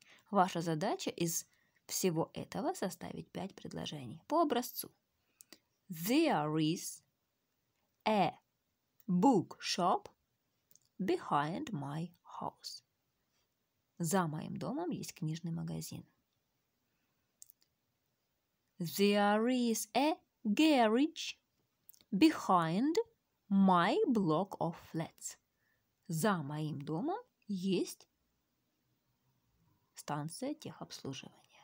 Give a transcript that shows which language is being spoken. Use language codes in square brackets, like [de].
[ru] Ваша задача из всего этого составить 5 предложений по образцу. [en] There is a bookshop behind my house. [ru] За моим домом есть книжный магазин. [en] There is a garage behind my block of flats. [ru] За моим домом есть станция техобслуживания.